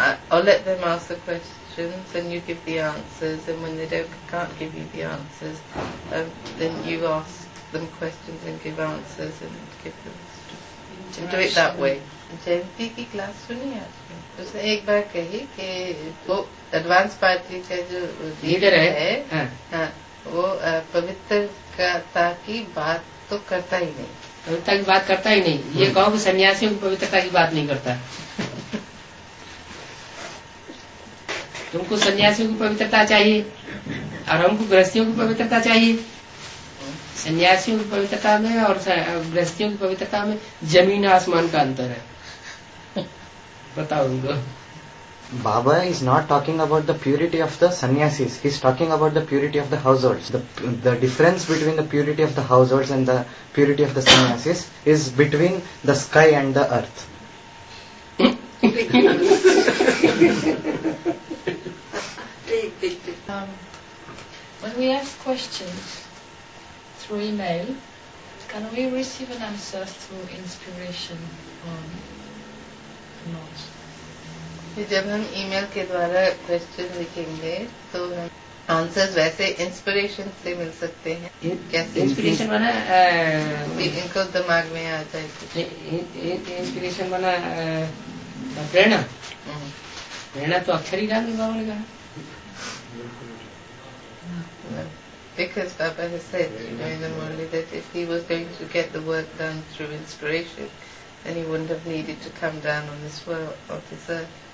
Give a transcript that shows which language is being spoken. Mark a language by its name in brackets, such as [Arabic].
[English] I'll let them ask the questions and you give the answers, and when they can't give you the answers, then you ask them questions and give answers and give them instructions. Do it that way. [Hindi] जयंती की class सुनी है आपने? उसने एक बार कही कि वो advance party के जो लीडर है वो पवित्रता की बात तो करता ही नहीं. पवित्रता की बात करता ही नहीं, ये कहो कि सन्यासी पवित्रता की बात नहीं करता. तुमको सन्यासियों की पवित्रता चाहिए और हमको गृहस्थियों की पवित्रता चाहिए. सन्यासियों की पवित्रता में और गृहस्थियों की पवित्रता में जमीन आसमान का अंतर है. [English] Baba is not talking about the purity of the sannyasis. He is talking about the purity of the households. The difference between the purity of the households and the purity of the sannyasis is between the sky and the earth. When we ask questions through email, can we receive an answer through inspiration or not? [Hindi] जब हम email के द्वारा question लिखेंगे तो answers वैसे inspiration से मिल सकते हैं. कैसे इंस्पिरेशन बना इनको दिमाग में आ जाए? इंस्पिरेशन बना प्रेरणा. प्रेरणा तो अक्षर ही गांधी बाबा ने कहा. [English] Because Baba has said, in the morning, that if he was going to get the work done through inspiration, then he wouldn't have needed to come down on this world, on this earth.